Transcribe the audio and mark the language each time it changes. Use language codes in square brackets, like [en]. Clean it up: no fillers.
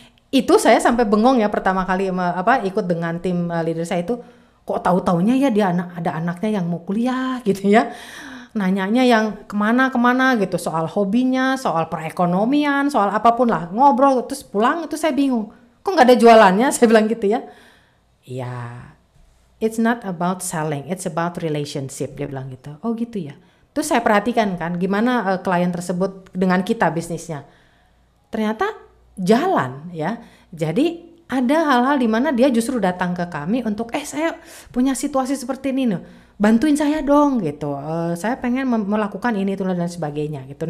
[id] Itu saya sampai bengong ya pertama kali apa ikut dengan tim leader saya itu, kok tahu-taunya ya dia anak ada anaknya yang mau kuliah gitu ya. Nanyanya yang kemana kemana gitu, soal hobinya, soal perekonomian, soal apapun lah, ngobrol terus pulang itu saya bingung. Kok nggak ada jualannya? Saya bilang gitu ya. [en] Ya, it's not about selling, it's about relationship, [id] dia bilang gitu. Oh gitu ya. Terus saya perhatikan kan gimana klien tersebut dengan kita bisnisnya. Ternyata jalan ya. Jadi ada hal-hal di mana dia justru datang ke kami untuk saya punya situasi seperti ini nih. Bantuin saya dong gitu. Saya pengen melakukan ini itu dan sebagainya gitu.